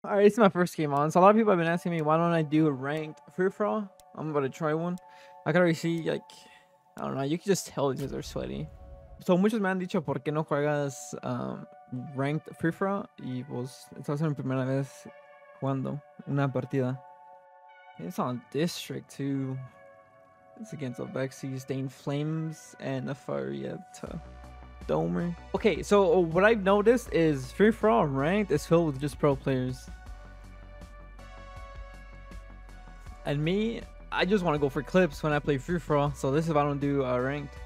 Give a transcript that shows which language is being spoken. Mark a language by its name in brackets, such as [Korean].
[English] All right, it's my first game on. So a lot of people have been asking me, why don't I do a ranked free-for-all? I'm about to try one. I can already see, like, I don't know. You can just tell these guys are sweaty. [Spanish] So muchos me han dicho, ¿por qué no juegas ranked free-for-all? Y pues, esta va a ser mi primera vez jugando una partida. [English] It's on District 2. It's against Avexys, Stained Flames, and a Farietta. Domer. Okay, so what I've noticed is free-for-all ranked is filled with just pro players. And me, I just want to go for clips when I play free-for-all, so this is why I don't do ranked.